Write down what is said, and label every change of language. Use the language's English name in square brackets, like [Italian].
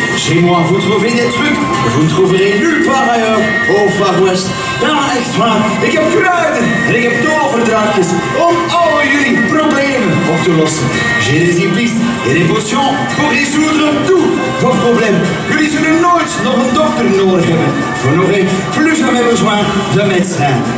[French] Chez moi, vous trouverez des trucs, vous trouverez nulle part ailleurs au Far West. [Dutch] Ja, echt waar, ik heb kruiden en ik heb toverdraadjes om al jullie problemen op te lossen. [French] J'ai des hypnotes et des potions pour résoudre tout vos problèmes. [Dutch] Jullie zullen nooit nog een dokter nodig hebben. [French] Vous n'aurez plus jamais besoin de médecin.